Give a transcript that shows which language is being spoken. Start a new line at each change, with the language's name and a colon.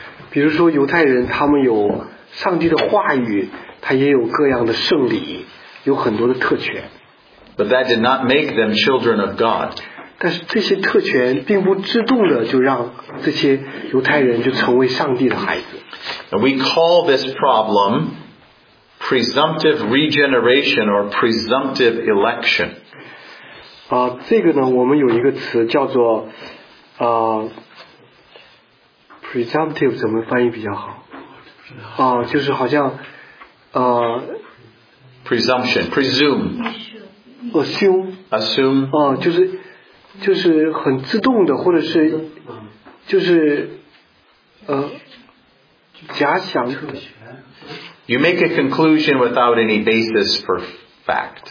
Chinese: 比如说犹太人他们有上帝的话语，他也有各样的圣礼，有很多的特权。
English: But that did not make them children of God.
Chinese: 但是这些特权并不自动的就让这些犹太人就成为上帝的孩子。
English: And we call this problem presumptive regeneration or presumptive election.
Chinese: 这个呢，我们有一个词叫做presumptive 怎么翻译比较好？就是好像
English: presumption, presume, assume, assume.
Chinese: 就是就是很自动的，或者是就是假想的。
English: You make a conclusion without any basis for fact.